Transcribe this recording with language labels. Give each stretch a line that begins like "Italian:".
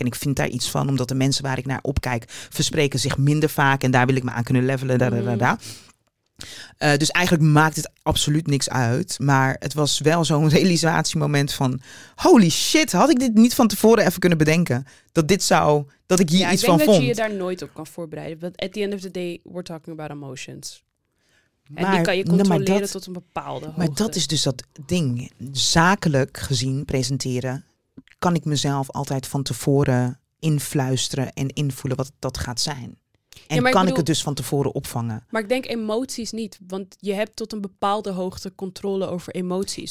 Dutch: En ik vind daar iets van, omdat de mensen waar ik naar opkijk verspreken zich minder vaak. En daar wil ik me aan kunnen levelen. Dus eigenlijk maakt het absoluut niks uit. Maar het was wel zo'n realisatiemoment van...
English: Holy shit,
Dutch: had ik dit niet van tevoren even kunnen bedenken? Dat dit zou... Dat ik hier ja, iets van vond. Ik denk dat je daar nooit op kan voorbereiden.
English: But at the end of the day, we're talking about emotions.
Dutch: Maar, en die kan je controleren maar dat, tot een bepaalde hoogte. Maar dat is dus dat ding. Zakelijk gezien presenteren... kan ik mezelf altijd van tevoren influisteren en invoelen wat dat gaat zijn. En ja, kan ik het dus van tevoren opvangen? Maar ik denk emoties niet. Want je hebt tot een bepaalde hoogte controle over emoties.